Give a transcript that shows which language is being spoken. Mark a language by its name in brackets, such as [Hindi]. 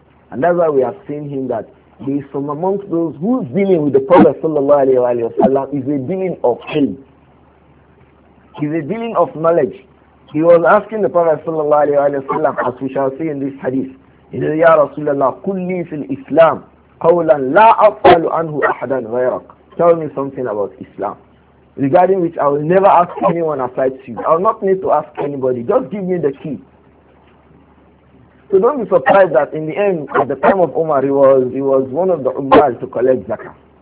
[English] And that's why we have seen him that he is from amongst those who is dealing with the Prophet sallallahu alaihi wasallam is a dealing of ilm. He's a dealing of knowledge. He was asking the Prophet sallallahu alaihi wasallam, as we shall see in this hadith, he says, [Arabic] Ya Rasulallah, kulli fil Islam. قَوْلًا لَا أَفْعَلُ عَنْهُ أَحْدًا غَيْرَكَ. [English] Tell me something about Islam, regarding which I will never ask anyone aside you. I will not need to ask anybody. Just give me the key. So don't be surprised that in the end, at the time of Umar, he was one of the ummal to collect zakah.